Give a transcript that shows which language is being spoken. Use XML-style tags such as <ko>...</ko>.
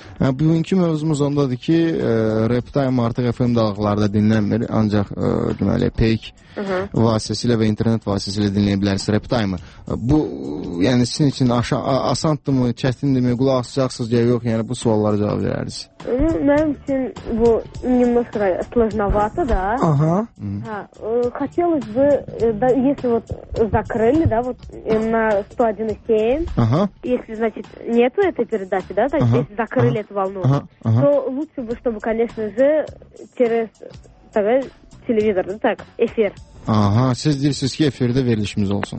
<az>Bugünkü mövzumuz ondadır ki, rap time artıq FM dalğalarda dinlənmir, ancaq deməli peyk vasitəsilə və internet vasitəsilə dinləyə bilərsiniz rap time-ı. Bu yəni sizin üçün asandır mı, çətindir mi, qulaq asacaqsınız ya yox, yəni bu suallara cavab verərsiniz. Mənim üçün bu</az> <ru>немножко сложновато, да. Ага. Хотелось бы, да, если вот закрыли, да, вот на 101.7, ага. Если, значит, нету этой передачи, да, значит, ага. Если закрыли ага. Эту волну, ага. Ага. То лучше бы, чтобы, конечно же, через так, телевизор, да, так, эфир.</ru> <az>Ага, siz diyorsunuz ki эфирде verilişimiz olsun.</az>